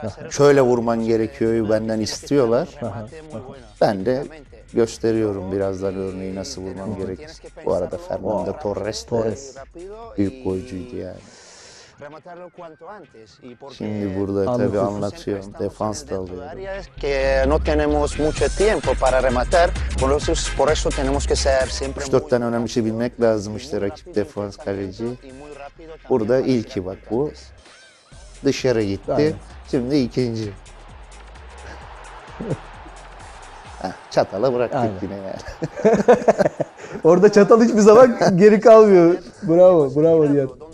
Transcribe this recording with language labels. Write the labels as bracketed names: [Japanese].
[Turkish] Şöyle vurman gerekiyor benden istiyorlar. Ben de gösteriyorum birazdan örneği nasıl vurmam gerekir. Bu arada Fernando Torres de büyük golcüydü yani. Şimdi burada tabi anlatıyorum, defans da alıyorum. [Spanish] Que no tenemos mucho tiempo para rematar, por eso tenemos que ser siempre. [Turkish] 3-4 tane önemli şey bilmek lazım işte, rakip defans kaleci. Burada ilki bak bu, dışarı gitti. Şimdi ikinci. Çatala bıraktık yine yani. Orada çatal hiçbir zaman geri kalmıyor. Bravo, bravo Nihat.